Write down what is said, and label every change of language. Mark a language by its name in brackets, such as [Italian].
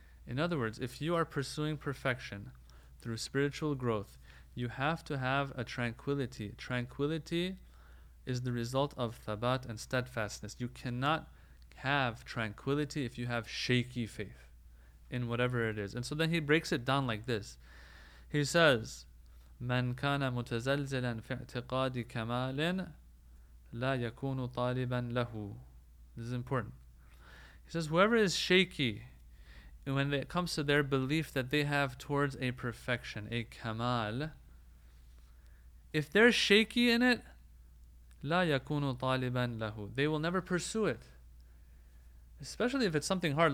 [English] In other words, if you are pursuing perfection through spiritual growth, you have to have a tranquility. Tranquility is the result of thabat and steadfastness. You cannot have tranquility if you have shaky faith in whatever it is. And so then he breaks it down like this. He says, [Arabic] من كان متزلزلا في اعتقاد كمال لا يكون طالبا له. [English] This is important. He says, whoever is shaky when it comes to their belief that they have towards a perfection, a kamal, if they're shaky in it, [Arabic] لا يكون طالبا له. [English] They will never pursue it. Especially if it's something hard.